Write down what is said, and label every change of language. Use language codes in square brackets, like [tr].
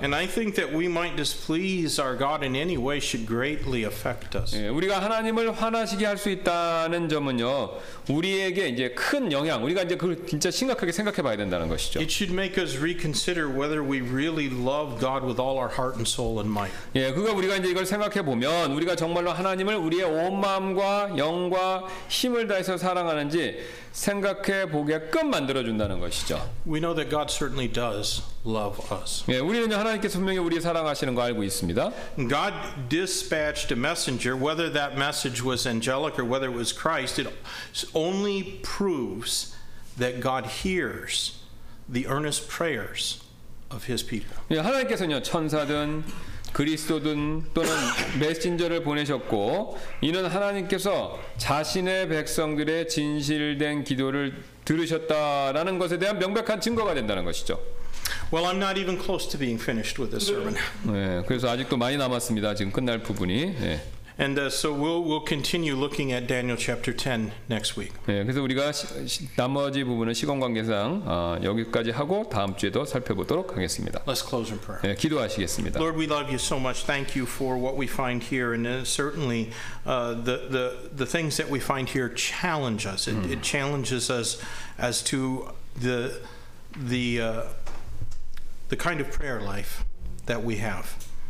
[en] And I think that we might displease our God in any way should greatly affect us [ko] 예, 우리가 하나님을 화나시게 할 수 있다는 점은요 우리에게 이제 큰 영향 우리가 이제 그걸 진짜 심각하게 생각해 봐야 된다는 것이죠 [en] It should make us reconsider whether we really love God with all our heart and soul and might [ko] 예, 그거 우리가 이제 이걸 생각해 보면 우리가 정말로 하나님을 우리의 온 마음과 영과 힘을 다해서 사랑하는지 생각해 보게끔 만들어 준다는 것이죠. [en] We know that God certainly does love us. [ko] 예, 우리는 하나님께서 분명히 우리 사랑하시는 거 알고 있습니다. [en] God dispatched a messenger, whether that message was angelic or whether it was Christ, it only proves that God hears the earnest prayers of his people. [ko] 예, 하나님께서는요, 천사든 그리스도든 또는 메신저를 보내셨고 이는 하나님께서 자신의 백성들의 진실된 기도를 들으셨다라는 것에 대한 명백한 증거가 된다는 것이죠. [en] Well, I'm not even close to being finished with this sermon. [ko] 네, 그래서 아직도 많이 남았습니다. 지금 끝날 부분이. 네. [en] And so we'll continue looking at Daniel chapter 10 next week. [ko] 네, 그래서 우리가 나머지 부분은 시간 관계상 여기까지 하고 다음 주에도 살펴보도록 하겠습니다. [en] Let's close in prayer. [ko] 네, 기도하시겠습니다. [en] Lord, we love you so much. Thank you for what we find here, and certainly the things that we find here challenge us. It challenges us as to the kind of prayer life that we have.